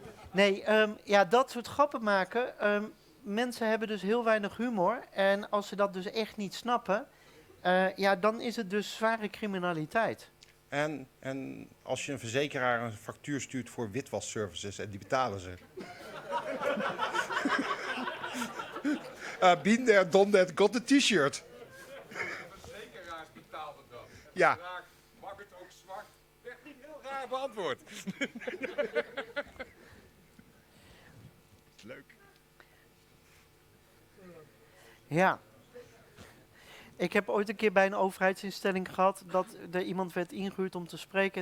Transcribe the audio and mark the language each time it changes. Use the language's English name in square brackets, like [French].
[Dutch] Nee, ja, dat soort grappen maken. Mensen hebben dus heel weinig humor. En als ze dat dus echt niet snappen, ja, dan is het dus zware criminaliteit. En als je een verzekeraar een factuur stuurt voor witwasservices en die betalen ze? [English] been there, done that, got the t-shirt. [Dutch] Een verzekeraar betaalt het dan. Ja. Mag het ook zwart? Echt niet heel raar beantwoord. Leuk. Ja. Ik heb ooit een keer bij een overheidsinstelling gehad dat er iemand werd ingehuurd om te spreken.